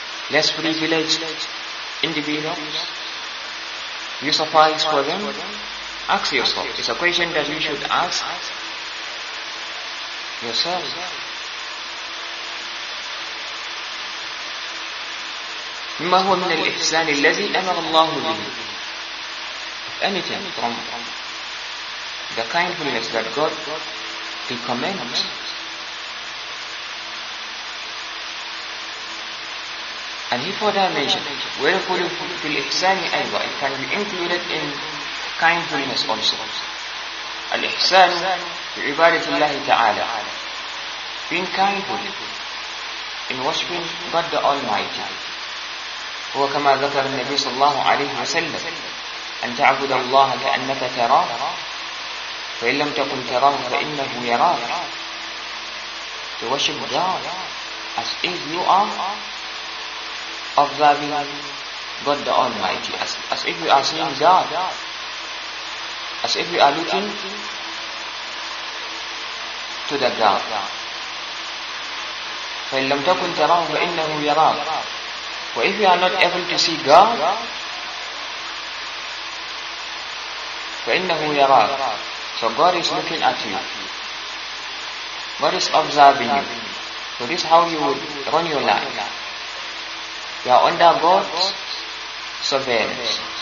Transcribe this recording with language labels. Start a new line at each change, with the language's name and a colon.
English: Less privileged individuals? Do you suffice for them? Ask yourself. It's a question that you should ask yourself.
Arabic: مما هو من الإحسان الذي أمر الله به.
English: Anything from the kindness that God recommends. And before that mention,
Arabic: وَيَقُولُ فِي الْإِحْسَانِ أَيْضًا.
English: It can be included in kindness also.
Arabic: الإحسان في عبادة الله تعالى.
English: Being kindful in worshiping God the Almighty.
Arabic: هو كما ذكر النبي صلى الله عليه وسلم أن تعبد الله كأنك تراه فإن لم تكن تراه فإنه يراك.
English: To worship God as if you are observing God the Almighty, as if you are seeing God, as if you are looking to the God.
Arabic: فإن لم تكن تراه فإنه يراك.
English: But if you are not able to see God,
Arabic: فَإِنَّهُ يَرَاكَ.
English: So God is looking at you. God is observing you. So this is how you would run your life. You are under God's surveillance.